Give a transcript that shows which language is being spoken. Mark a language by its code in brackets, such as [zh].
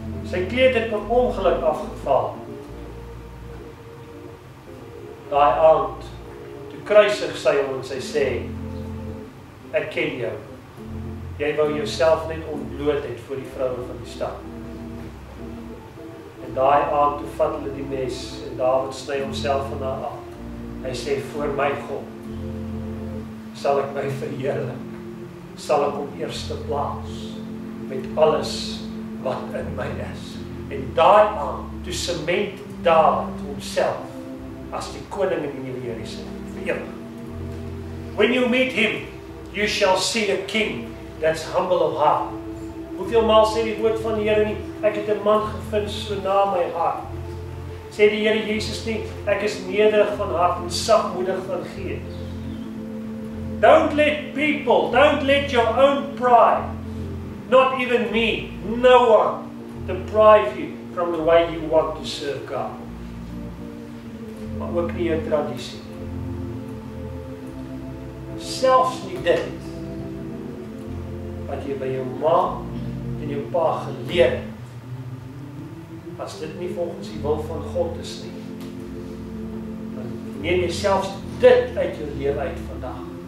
[af] Sy kleed het met ongeluk afgeval. Daai aand, toe kruisig sy om en sy sê, ek ken jou. Jy wou jouself net ontbloot het voor die vrouwe van die stad. En daai aand, toe vat hulle die mes en David sny homself van haar af. Hy sê, voor my God, sal ek my verheerlik, sal ek op eerste plaas met alles wat in my is. En daai aand, toe cement David homself as die koning in die nuwe Jerusalem vir ewig. [en] When you meet him, you shall see a king that's humble of heart. [af] Hoeveel maal sê die woord van die Heere nie, ek het een man gevind so na my hart. Sê die Heere Jezus nie, ek is nederig van hart en sagmoedig van geest. [en] Don't let people, don't let your own pride, not even me, no one, deprive you from the way you want to serve God. [af] Maar ook nie jou traditie. Selfs nie dit, wat jy by jou ma en jou pa geleer het, as dit nie volgens die wil van God is nie, dan neem jy selfs dit uit jou lewe uit vandag.